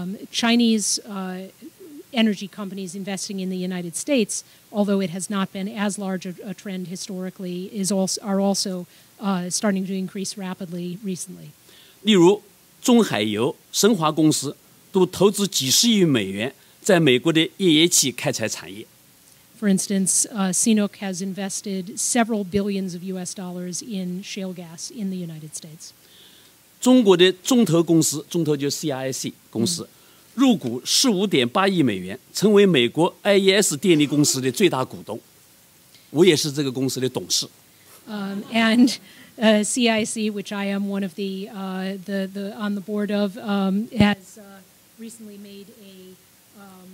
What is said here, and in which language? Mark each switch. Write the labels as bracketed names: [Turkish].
[English] Chinese energy companies investing in the United States, although it has not been as large a trend historically, are also starting to increase rapidly recently. [Chinese] 例如，中海油、神华公司都投资几十亿美元在美国的页岩气开采产业。 [English] For instance, CNOOC has invested several billions of U.S. dollars in shale gas in the United States. [Chinese] 中国的中投公司，中投就 CIC 公司，入股 15.8亿美元， 成为美国 AES 电力公司的最大股东。我也是这个公司的董事。 [English] CIC, which I am one of the on the board of, has recently made a